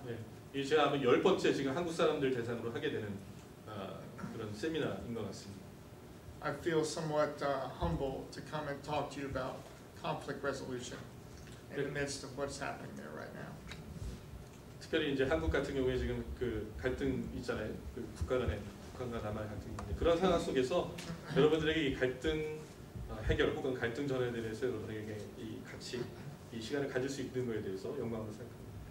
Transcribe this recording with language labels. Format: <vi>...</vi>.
<ko>네, 이제 아마 열 번째 지금 한국 사람들 대상으로 하게 되는 그런 세미나인 것 같습니다.</ko> <en>I feel somewhat humble to come and talk to you about conflict resolution in the midst of what's happening there right now.</en> <ko>특별히 이제 한국 같은 경우에 지금 그 갈등 있잖아요. 그 국가 간의 북한과 남한의 갈등인데 그런 상황 속에서 여러분들에게 이 갈등 해결 혹은 갈등 전환에 대해서 여러분에게 이 같이 이 시간을 가질 수 있는 것에 대해서 영광을 생각합니다.</ko>